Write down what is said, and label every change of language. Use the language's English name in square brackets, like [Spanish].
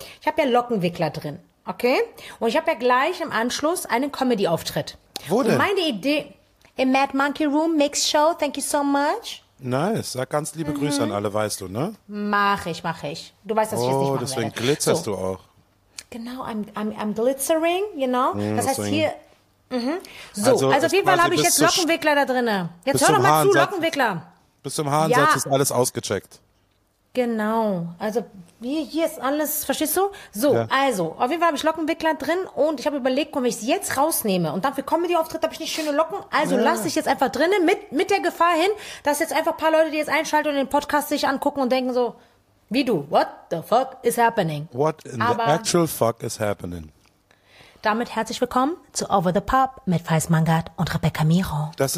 [German] Ich habe ja Lockenwickler drin. Okay? Und ich habe ja gleich im Anschluss einen Comedy-Auftritt. Wo denn? Und meine Idee, im Mad Monkey Room Mix Show, [English] thank you so much. [German] Nice, sag ganz liebe Grüße an alle, weißt du, ne? Mach ich. Du weißt, dass ich es nicht mache. Oh, deswegen glitzerst du auch. [English] Genau, I'm glitzering, you know? [German] Das heißt hier, So, also auf jeden Fall habe ich jetzt Lockenwickler da drin. Jetzt hör doch mal zu, Lockenwickler. Bis zum Haarensatz ist alles ausgecheckt. Genau, also hier ist alles, verstehst du? So, ja. Also, auf jeden Fall habe ich Lockenwickler drin und ich habe überlegt, wenn ich sie jetzt rausnehme und dann für Comedy-Auftritt habe ich nicht schöne Locken, also ja. Lasse ich jetzt einfach drinnen mit der Gefahr hin, dass jetzt einfach ein paar Leute, die jetzt einschalten und den Podcast sich angucken und denken so, wie du, [English] what the fuck is happening? What in the actual fuck is happening? [German] Damit herzlich willkommen zu Over the Pop mit Faiz Mangard und Rebecca Miro.